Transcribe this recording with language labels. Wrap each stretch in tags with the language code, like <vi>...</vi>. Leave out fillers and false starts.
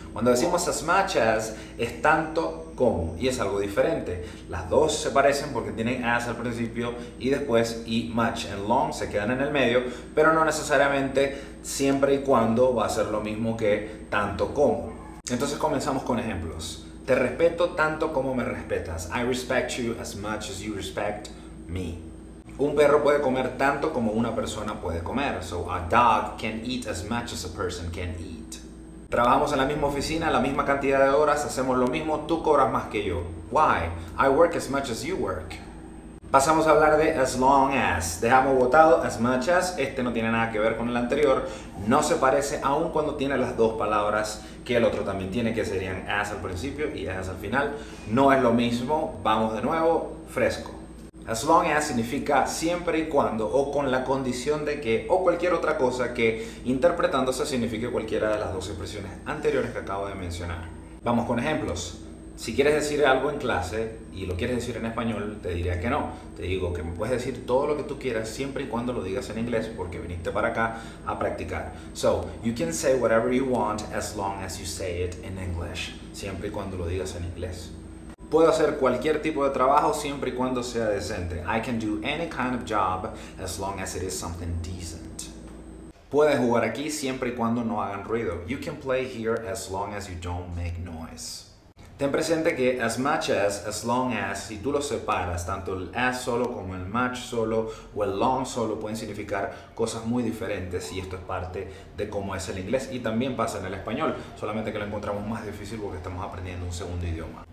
<es>Cuando decimos as much as, es tanto como, y es algo diferente. Las dos se parecen porque tienen as al principio y después, y much and long se quedan en el medio, pero no necesariamente siempre y cuando va a ser lo mismo que tanto como. Entonces comenzamos con ejemplos. Te respeto tanto como me respetas.</es> <en>I respect you as much as you respect me.</en> <es>Un perro puede comer tanto como una persona puede comer.</es> <en>So a dog can eat as much as a person can eat.</en> <es>Trabajamos en la misma oficina, la misma cantidad de horas, hacemos lo mismo, tú cobras más que yo.</es> <en>Why? I work as much as you work.</en> <es>Pasamos a hablar de as long as. Dejamos botado as much as. Este no tiene nada que ver con el anterior. No se parece aun cuando tiene las dos palabras que el otro también tiene, que serían as al principio y as al final. No es lo mismo. Vamos de nuevo, fresco. As long as significa siempre y cuando o con la condición de que o cualquier otra cosa que interpretándose signifique cualquiera de las dos expresiones anteriores que acabo de mencionar. Vamos con ejemplos. Si quieres decir algo en clase y lo quieres decir en español, te diría que no. Te digo que me puedes decir todo lo que tú quieras siempre y cuando lo digas en inglés porque viniste para acá a practicar.</es> <en>So, you can say whatever you want as long as you say it in English.</en> <es>Siempre y cuando lo digas en inglés. Puedo hacer cualquier tipo de trabajo siempre y cuando sea decente.</es> <en>I can do any kind of job as long as it is something decent.</en> <es>Puedes jugar aquí siempre y cuando no hagan ruido.</es> <en>You can play here as long as you don't make noise.</en> <es>Ten presente que as much as long as, si tú lo separas, tanto el as solo como el much solo o el long solo pueden significar cosas muy diferentes y esto es parte de cómo es el inglés y también pasa en el español, solamente que lo encontramos más difícil porque estamos aprendiendo un segundo idioma.</es>